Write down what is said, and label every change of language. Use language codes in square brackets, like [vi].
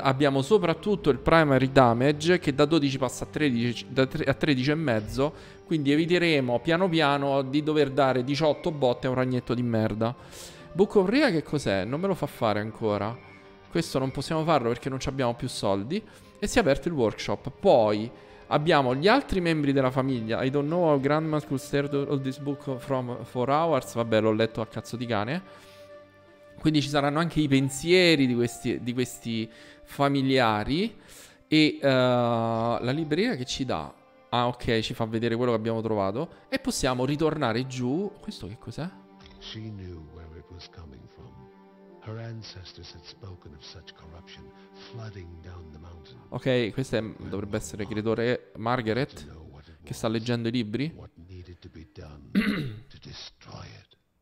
[it] Abbiamo soprattutto il primary damage, che da 12 passa a 13, a 13 e mezzo. Quindi eviteremo piano piano di dover dare 18 botte a un ragnetto di merda. Book of Rhea, che cos'è? Non me lo fa fare ancora. Questo non possiamo farlo perché non abbiamo più soldi. E si è aperto il workshop. Poi abbiamo gli altri membri della famiglia. [en] I don't know how grandma could stare at all this book from 4 hours. [it] Vabbè, l'ho letto a cazzo di cane. Quindi ci saranno anche i pensieri di questi familiari. E la libreria che ci dà. Ah, ok, ci fa vedere quello che abbiamo trovato. E possiamo ritornare giù. Questo che cos'è? [en] She knew where it was coming from. Her ancestors had spoken of such corruption flooding down the mountain. [it] Ok, questa dovrebbe essere, credo, Margaret, che sta leggendo i libri. [en] What needed to be done to destroy it.